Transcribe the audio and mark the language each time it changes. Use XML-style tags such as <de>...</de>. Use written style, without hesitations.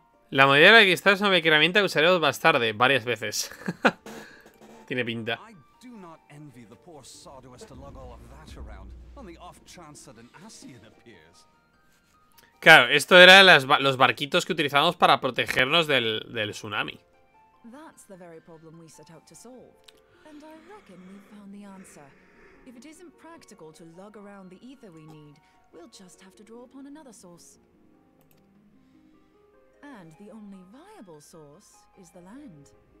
<es>La mayoría de las cristales son una herramienta que usaremos más tarde, varias veces. Tiene pinta.</es> <en>I do not envy the poor sawduous to lug all of that around on the off chance that an Ascian appears.</en> <es>Claro, esto era los barquitos que utilizábamos para protegernos del tsunami.</es> <en>That's the very problem we set out to solve. And I reckon we found the answer. If it isn't practical to lug around the ether we need, we'll just have to draw upon another source. And the only viable source is the land.</en>